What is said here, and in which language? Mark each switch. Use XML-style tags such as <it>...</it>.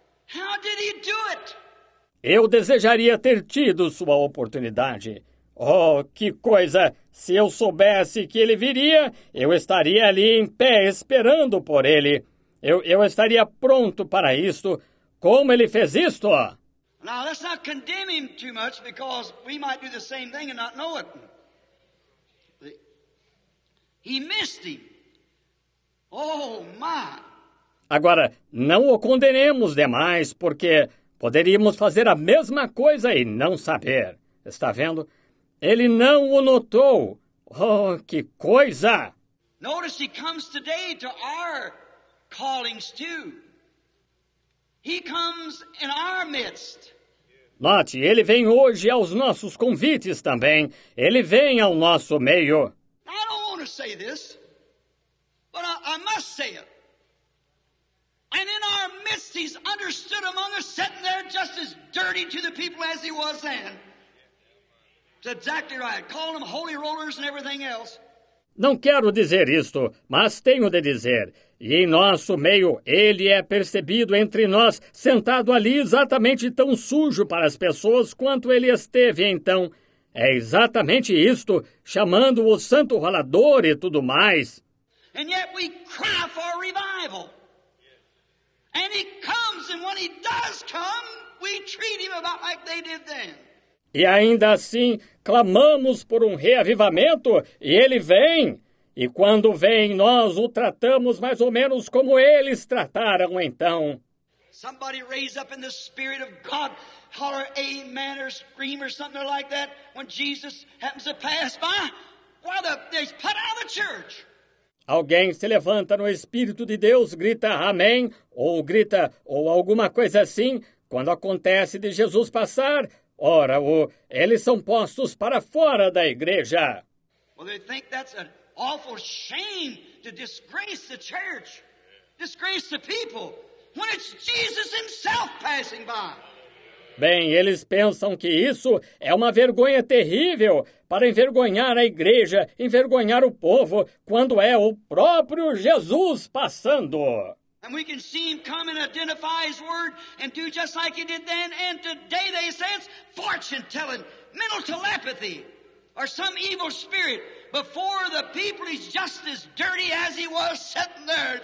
<en>How did he do it?</en> <pt>Eu desejaria ter tido sua oportunidade. Oh, que coisa! Se eu soubesse que ele viria, eu estaria ali em pé esperando por ele. Eu estaria pronto para isto. Como ele fez isto?</pt> <en>Now, let's not condemn him too much because we might do the same thing and not know it. He missed him. Oh, my.</en> <pt>Agora, não o condenemos demais porque poderíamos fazer a mesma coisa e não saber. Está vendo? Ele não o notou. Oh, que coisa!</pt> <en>Notice he comes today to our callings too. He comes in our midst.</en> <pt>Note, ele vem hoje aos nossos convites também. Ele vem ao nosso meio.</pt> <en>I don't want to say this, but I must say it. And in our midst, he's understood among us, sitting there just as dirty to the people as he was then. It's exactly right. Call them holy rollers and everything else.</en> <pt>Não quero dizer isto, mas tenho de dizer. E em nosso meio, ele é percebido entre nós, sentado ali exatamente tão sujo para as pessoas quanto ele esteve então. É exatamente isto, chamando o santo rolador e tudo mais.</pt> <en>And yet we cry for revival. And he comes, and when he does come, we treat him about like they did then.</en> <pt>E ainda assim, clamamos por um reavivamento, e ele vem. E quando vem, nós o tratamos mais ou menos como eles trataram então.</pt> <en>Somebody raise up in the spirit of God, holler amen or scream or something like that, when Jesus happens to pass by, why they put out of the church.</en> <pt>Alguém se levanta no Espírito de Deus, grita amém, ou grita, ou alguma coisa assim, quando acontece de Jesus passar, ora, ou eles são postos para fora da igreja.</pt> <en>Well, they think that's an awful shame to disgrace the church, disgrace the people, when it's Jesus himself passing by.</en> <pt>Bem, eles pensam que isso é uma vergonha terrível para envergonhar a igreja, envergonhar o povo, quando é o próprio Jesus passando.</pt> <en>And we can see him come and identify his word and do just like he did then. And today they say it's fortune telling, mental telepathy, or some evil spirit. Before the people, he's just as dirty as he was sitting there.</en>